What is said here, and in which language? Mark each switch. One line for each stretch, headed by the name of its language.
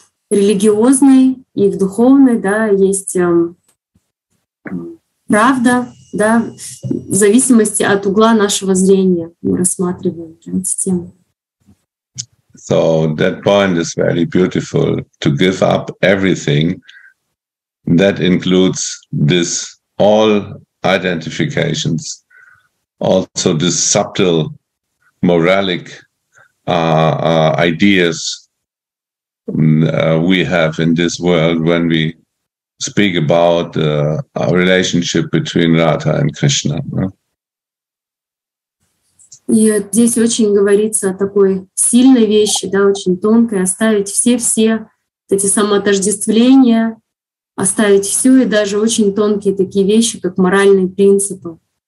Russian: Религиозный и в духовной, да, есть правда, да, в зависимости от угла нашего зрения мы рассматриваем эти темы.
English: So that point is very beautiful. To give up everything, that includes this all identifications, also this subtle moralic ideas we have in this world when we speak about our relationship between Radha and Krishna.
Russian: И здесь очень говорится о такой сильной вещи, да, очень тонкой, оставить все эти самоотождествления, оставить все и даже очень тонкие такие вещи, как моральные принципы.